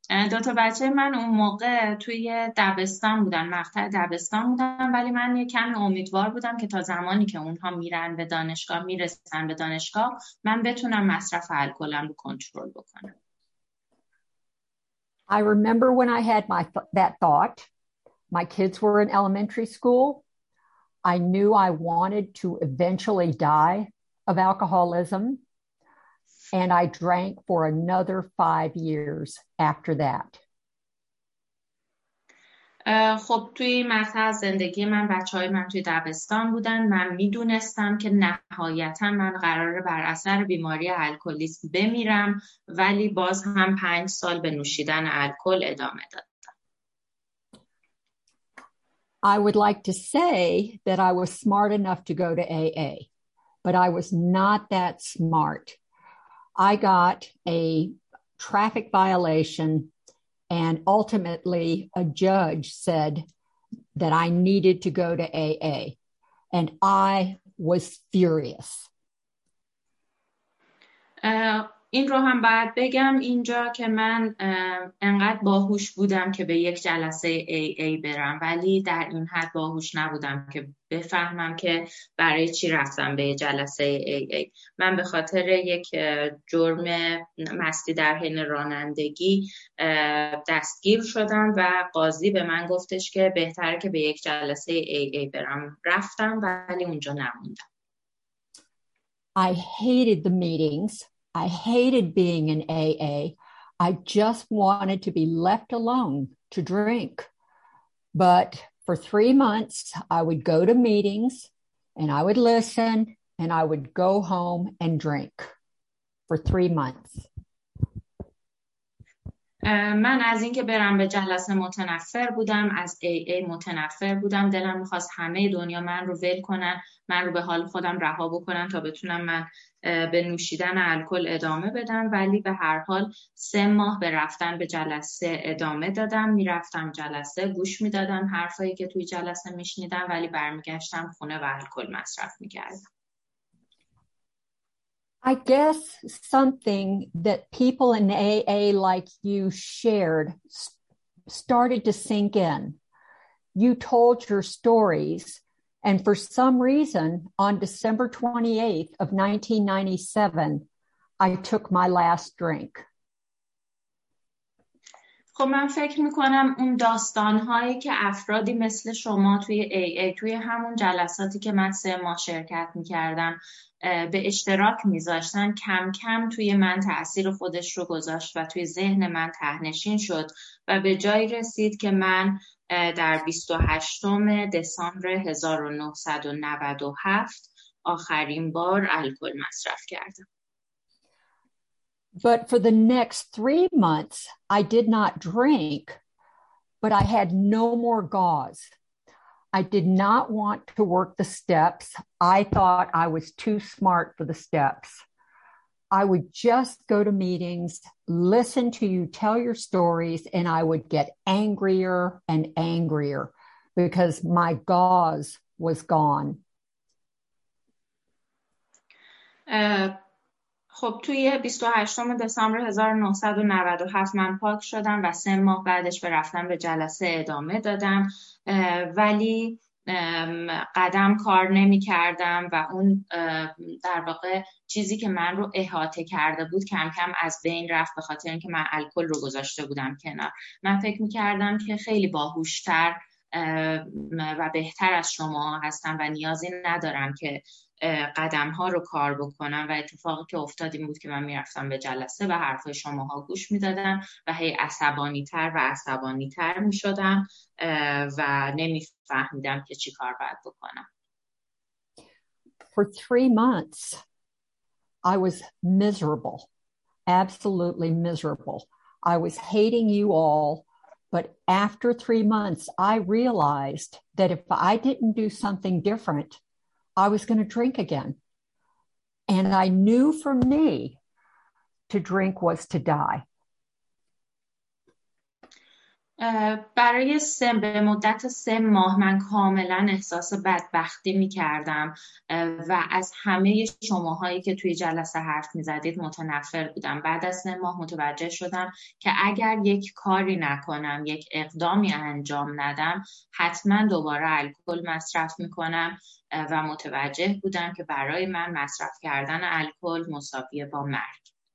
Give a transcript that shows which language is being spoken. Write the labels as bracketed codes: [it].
[fa] دو تا بچه من اون موقع توی دبستان بودن، مقطع دبستان بودن، ولی من یه کمی امیدوار بودم که تا زمانی که اونها میرسن به دانشگاه من بتونم مصرف الکلم رو کنترل بکنم. [en] I remember when I had that thought. My kids were in elementary school. I knew I wanted to eventually die of alcoholism, and I drank for another 5 years after that. [fa] خب توی مقطع زندگی من بچه‌های من توی دبستان بودن. من میدونستم که نهایتاً من قراره بر اثر بیماری الکلیسم بمیرم، ولی باز هم 5 سال به نوشیدن الکل ادامه دادم. [en] I would like to say that I was smart enough to go to AA, but I was not that smart. I got a traffic violation, and ultimately a judge said that I needed to go to AA, and I was furious. [fa] این رو هم باید بگم اینجا که من انقدر باهوش بودم که به یک جلسه AA برم، ولی در این حد باهوش نبودم که بفهمم که برای چی رفتم به جلسه AA. من به خاطر یک جرم مستی در حین رانندگی دستگیر شدم و قاضی به من گفتش که بهتره که به یک جلسه AA برم. رفتم ولی اونجا نموندم. [en] I hated the meetings. I hated being in AA. I just wanted to be left alone to drink. But for 3 months, I would go to meetings and I would listen and I would go home and drink for 3 months. [fa] من از اینکه برم به جلسه متنفر بودم، از AA متنفر بودم، دلم می‌خواست همه دنیا من رو ول کنن، من رو به حال خودم رها بکنن تا بتونم من به نوشیدن الکل ادامه بدم، ولی به هر حال 3 ماه به رفتن به جلسه ادامه دادم، میرفتم جلسه، گوش میدادم حرفایی که توی جلسه میشنیدم، ولی برمیگشتم خونه و الکل مصرف میکردم. [en] I guess something that people in AA like you shared started to sink in. You told your stories, and for some reason, on December 28th of 1997, I took my last drink. [fa] خب من فکر میکنم اون داستانهایی که افرادی مثل شما توی AA توی همون جلساتی که من 3 ماه شرکت میکردم به اشتراک میذاشتن کم کم توی من تأثیر خودش رو گذاشت و توی ذهن من تهنشین شد و به جایی رسید که من در 28 دسامبر 1997 آخرین بار الکل مصرف کردم. [en] But for the next 3 months, I did not drink, but I had no more gauze. I did not want to work the steps. I thought I was too smart for the steps. I would just go to meetings, listen to you tell your stories, and I would get angrier and angrier because my gauze was gone. [fa] خب توی 28 دسامبر 1997 من پاک شدم و 3 ماه بعدش به رفتن به جلسه ادامه دادم، ولی قدم کار نمی کردم و اون در واقع چیزی که من رو احاطه کرده بود کم کم از بین رفت به خاطر اینکه من الکل رو گذاشته بودم کنار. من فکر می کردم که خیلی باهوشتر و بهتر از شما هستم و نیازی ندارم که قدم ها رو کار بکنم و اتفاقی که افتاد این بود که من میرفتم به جلسه و حرفای شما ها گوش میدادم و هی عصبانی تر میشدم و نمیفهمیدم که چی کار باید بکنم. [en] For 3 months I was miserable, absolutely miserable. I was hating you all, but after 3 months I realized that if I didn't do something different I was going to drink again. And I knew for me to drink was to die. [fa] برای به مدت 3 ماه من کاملا احساس بدبختی می کردم و از همه شماهایی که توی جلسه حرف می زدید متنفر بودم. بعد از 3 ماه متوجه شدم که اگر یک کاری نکنم، یک اقدامی انجام ندم، حتما دوباره الکل مصرف می کنم و متوجه بودم که برای من مصرف کردن الکل مساویه با مرگ.